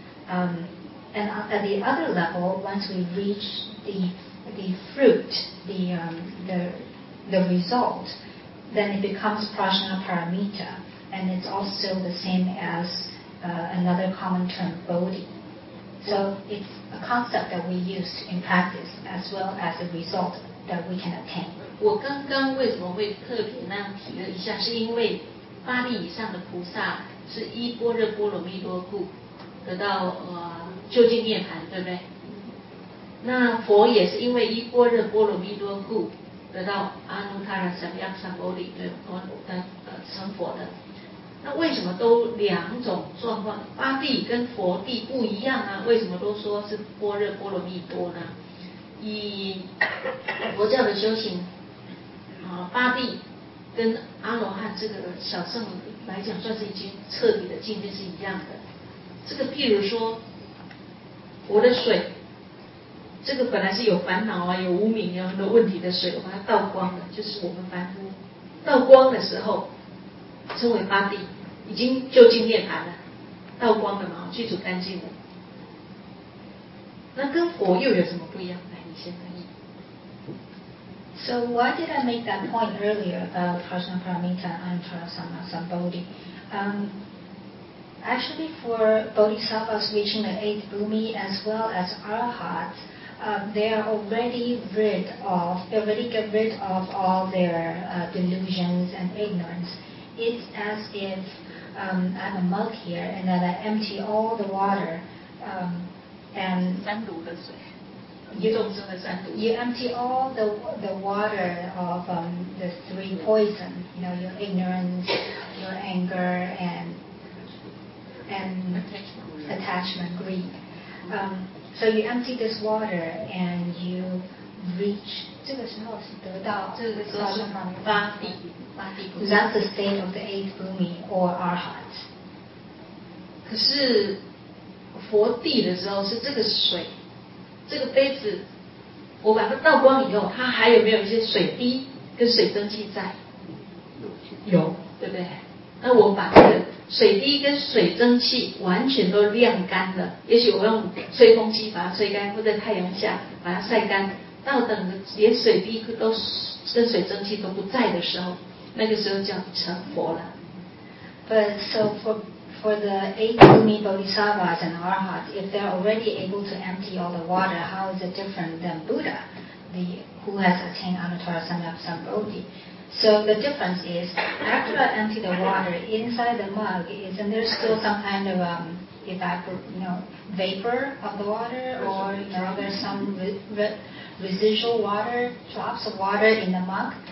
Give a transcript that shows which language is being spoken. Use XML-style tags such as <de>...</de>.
<en>And at the other level, once we reach the fruit, the result, then it becomes Prajna Paramita. And it's also the same as another common term, Bodhi. So it's a concept that we use in practice as well as a result that we can attain.</en> <zh>我刚刚为什么会特别那样提了一下，是因为八力以上的菩萨是依般若波罗蜜多故得到究竟涅槃，对不对？那佛也是因为依般若波罗蜜多故得到阿耨他那三藐三菩提，对，成佛的。那为什么都两种状况，八地跟佛地不一样啊？为什么都说是般若波罗蜜多呢？以佛教的修行，八地跟阿罗汉这个小圣来讲，算是已经彻底的境界是一样的。这个譬如说，我的水，这个本来是有烦恼啊，有无明有很多问题的水，我把它倒光了，就是我们凡夫倒光的时候。称为八地，已经究竟涅槃了，倒光了嘛，具足干净了。那跟佛又有什么不一样？来，你先翻译。</zh> <en>So why did I make that point earlier about Prajna Paramita and Prajna Sambodhi? Actually, for Bodhisattvas reaching the eighth bhumi as well as Arahats, they are already rid of, they already get rid of all their delusions and ignorance. It's as if I'm a mug here and that I empty all the water and...</en> <zh>三毒的水，一众生的三毒。</zh> <en>You empty all the water of the three poison, you know, your ignorance, your anger, and attachment, greed. So you empty this water and you reach...</en> <zh>这个时候是得到这个时候是八地。</zh> <en>That's the state of the eighth bhumi or arhat.</en> <zh>可是佛地的时候是这个水，这个杯子，我把它倒光以后，它还有没有一些水滴跟水蒸气在？有，对不对？那我把这个水滴跟水蒸气完全都晾干了，也许我用吹风机把它吹干，或者太阳下把它晒干，到等连水滴都跟水蒸气都不在的时候。那个时候叫成佛了。</zh> <en>But so for the eight bhumi bodhisattvas and arhats, if they're already able to empty all the water, how is it different than Buddha, who has attained Anuttara Samyaksambodhi? So the difference is, after I empty the water inside the mug, isn't there still some kind of vapor of the water, or you know, there's some residual water, drops of water in the mug?</en>